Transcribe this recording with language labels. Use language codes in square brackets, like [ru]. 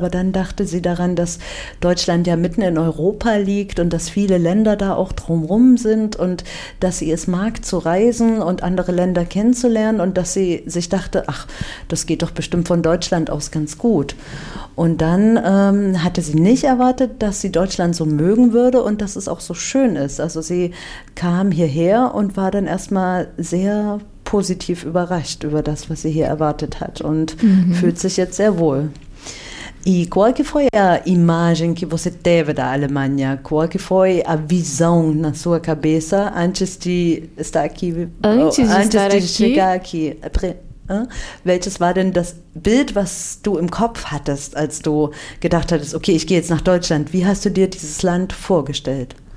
[de] Aber dann dachte sie daran, dass Deutschland ja mitten in Europa liegt und dass viele Länder da auch drumherum sind und dass sie es mag zu reisen und andere Länder kennenzulernen und dass sie sich dachte, ach, das geht doch bestimmt von Deutschland aus ganz gut. Und dann hatte sie nicht erwartet, dass sie Deutschland so mögen würde und dass es auch so schön ist. Also sie kam hierher und war dann erstmal sehr positiv überrascht über das, was sie hier erwartet hat und fühlt sich jetzt sehr wohl. [pt] E qual que foi a imagem que você teve da Alemanha? Qual que foi a visão na sua cabeça antes de estar aqui? Antes de chegar aqui. [de] Welches war denn das Bild, was du im Kopf hattest, als du gedacht hattest, okay, ich gehe jetzt nach Deutschland. Wie hast du dir dieses Land vorgestellt?